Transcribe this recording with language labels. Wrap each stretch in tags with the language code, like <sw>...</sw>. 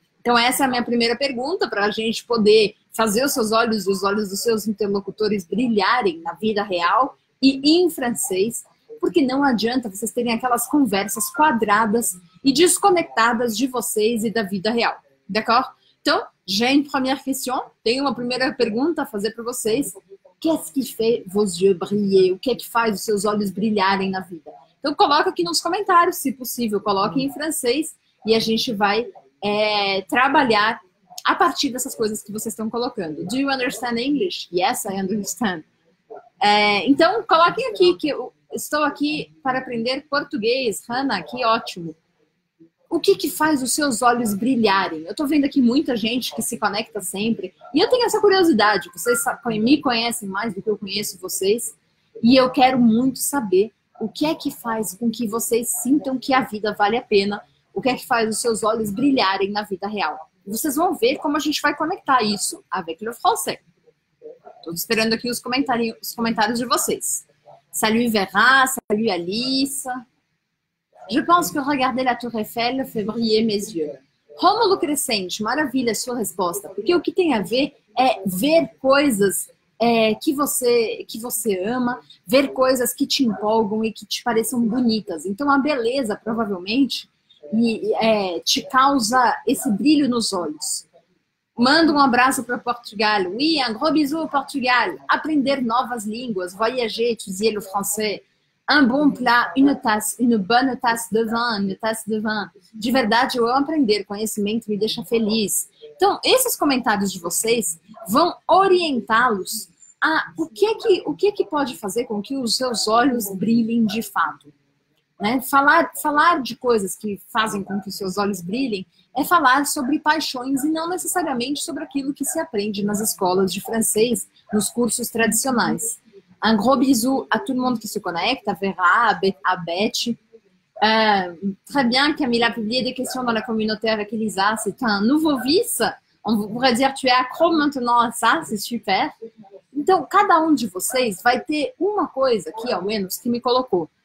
<pt>Então, essa é a minha primeira pergunta para a gente poder fazer os seus olhos, os olhos dos seus interlocutores brilharem na vida real e em francês, porque não adianta vocês terem aquelas conversas quadradas e desconectadas de vocês e da vida real. D'accord? Então,</pt> <fr>j'ai une première question,</fr> <pt>tenho uma primeira pergunta a fazer para vocês.</pt> <fr>Qu'est-ce qui fait vos yeux briller?</fr> <pt>O que é que faz os seus olhos brilharem na vida? Então, coloca aqui nos comentários, se possível, coloque em francês e a gente vai trabalhar a partir dessas coisas que vocês estão colocando.</pt> <en>Do you understand English? Yes, I understand.</en> <pt>Então, coloquem aqui que eu estou aqui para aprender português. Hannah, que ótimo. O que que faz os seus olhos brilharem? Eu estou vendo aqui muita gente que se conecta sempre. E eu tenho essa curiosidade. Vocês me conhecem mais do que eu conheço vocês. E eu quero muito saber o que é que faz com que vocês sintam que a vida vale a pena. O que é que faz os seus olhos brilharem na vida real? Vocês vão ver como a gente vai conectar isso</pt> <fr>avec le français.</fr> <pt>Estou esperando aqui os comentários de vocês.</pt> <fr>Salut Vera, salut Alissa. Je pense que regarder la Tour Eiffel fait briller mes yeux.</fr> <pt>Rômulo Crescente, maravilha a sua resposta, porque o que tem a ver é ver coisas que você ama, ver coisas que te empolgam e que te pareçam bonitas. Então, a beleza, provavelmente, te causa esse brilho nos olhos. Manda um abraço para Portugal.</pt> <fr>Oui, un gros bisou,</fr> <pt>Portugal. Aprender novas línguas.</pt> <fr>Voyager, étudier le français. Un bon plat, une bonne tasse de vin, une tasse de vin.</fr> <pt>De verdade, eu amo aprender. Conhecimento me deixa feliz. Então, esses comentários de vocês vão orientá-los a o que que pode fazer com que os seus olhos brilhem de fato. Né? Falar de coisas que fazem com que os seus olhos brilhem é falar sobre paixões e não necessariamente sobre aquilo que se aprende nas escolas de francês, nos cursos tradicionais. Um gros bisou a todo mundo que se conecta, a Vera, a Beth.</pt> <fr>Très bien, Camila, publié des questions dans la communauté avec Elisa. C'est un nouveau vice. On pourrait dire que tu es accro maintenant à ça, c'est super.</fr> <pt>Então, cada um de vocês vai ter uma coisa aqui, ao menos, que me colocou.</pt>